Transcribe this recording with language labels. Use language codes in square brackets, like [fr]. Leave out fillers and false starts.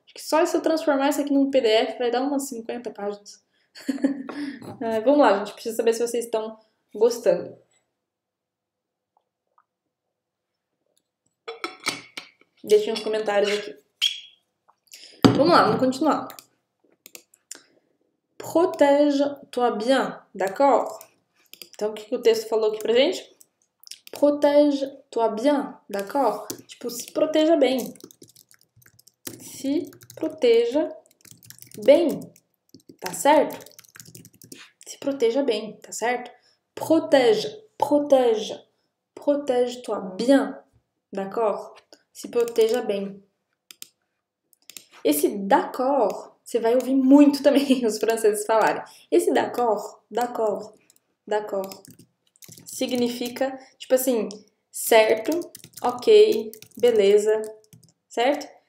[pt] Acho que só se eu transformar isso aqui num PDF vai dar umas 50 páginas. É, vamos lá, gente. Preciso saber se vocês estão gostando. Deixem os comentários aqui. Vamos lá, vamos continuar. [fr] Protège-toi bien, d'accord? [pt] Então, o que o texto falou aqui pra gente? [fr] Protège-toi bien, d'accord? [pt] Tipo, se proteja bem. Se proteja bem, tá certo? Se proteja bem, tá certo? [fr] Protège, protège, protège-toi bien, d'accord? [pt] Se proteja bem. Esse d'accord, você vai ouvir muito também os franceses falarem. Esse d'accord, d'accord, d'accord, significa, tipo assim, certo, ok, beleza, certo?